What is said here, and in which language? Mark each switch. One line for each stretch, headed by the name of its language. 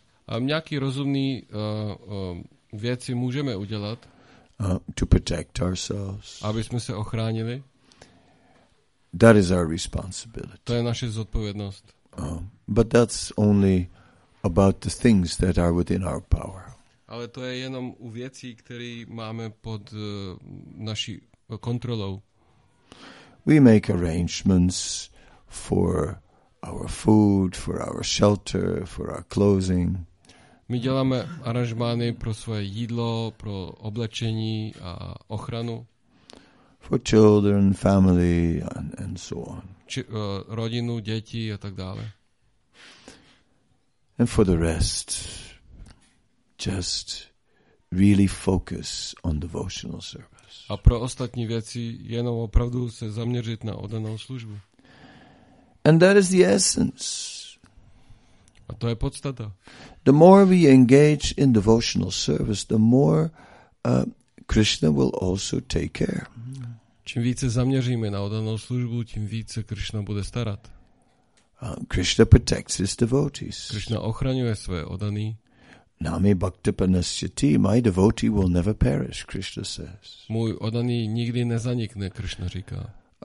Slovak: Nejaký rozumný veci môžeme udelať.
English: To protect ourselves.
Slovak: Aby sme sa ochránili.
English: That is our responsibility.
Slovak: To je naša zodpovednosť.
English: But that's only about the things that are within our power.
Slovak: Ale to je jenom u vecí, ktoré máme pod naši kontrolou.
English: We make arrangements for our food, for our shelter, for our clothing.
Czech: My děláme aranžmány pro svoje jídlo, pro oblečení a ochranu.
English: For children, family and so on.
Czech: Rodinu, děti a tak dále.
English: And for the rest, just really focus on devotional service.
Czech: A pro ostatní věci jenom opravdu se zaměřit na oddanou službu.
English: And that is the essence.
Czech: A to je podstata.
English: The more we engage in devotional service, the more Krishna will also take care.
Czech: Čím více zaměříme na oddanou službu, tím více Krishna bude starat.
English: Krishna protects his devotees.
Czech: Krishna ochraňuje své oddaní.
Sanskrit: Nami bhakta panasyati,
English: my devotee will never perish, Krishna says.
Czech: Můj oddaní nikdy nezanikne, Krishna říká.